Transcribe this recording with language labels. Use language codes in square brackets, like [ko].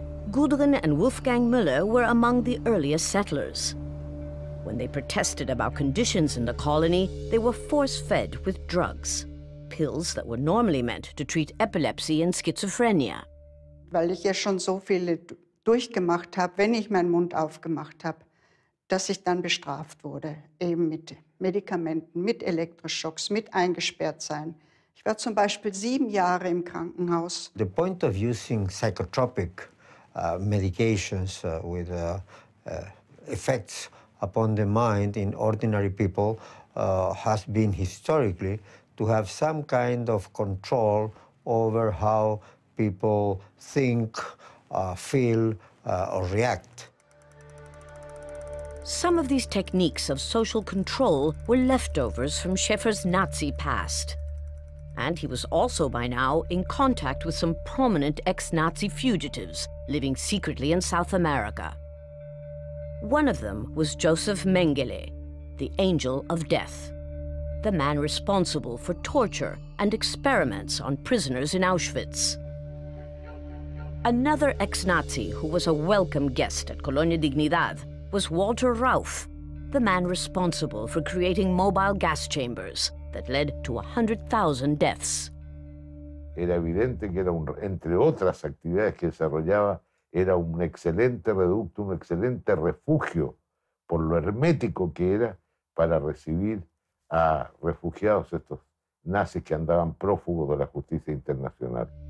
[en] Gudrun and Wolfgang Müller were among the earliest settlers. When they protested about conditions in the colony, they were force-fed with drugs, pills that were normally meant to treat epilepsy and schizophrenia. [de] Weil ich ja schon so viele durchgemacht habe, wenn ich meinen Mund aufgemacht habe, dass ich dann bestraft wurde, eben mit Medikamenten, mit Elektroschocks, mit eingesperrt sein. Ich war zum Beispiel 7 Jahre im Krankenhaus. [en] The point of using psychotropic medications with effects upon the mind in ordinary people has been historically to have some kind of control over how people think, feel, or react. Some of these techniques of social control were leftovers from Schaefer's Nazi past. And he was also by now in contact with some prominent ex-Nazi fugitives living secretly in South America. One of them was Joseph Mengele, the Angel of Death, the man responsible for torture and experiments on prisoners in Auschwitz. Another ex-Nazi who was a welcome guest at Colonia Dignidad was Walter Rauf, the man responsible for creating mobile gas chambers that led to 100,000 deaths. [es] Era evidente que era un, entre otras actividades que desarrollaba, era un excelente reducto, un excelente refugio por lo hermético que era para recibir a refugiados estos nazis que andaban prófugos de la justicia internacional.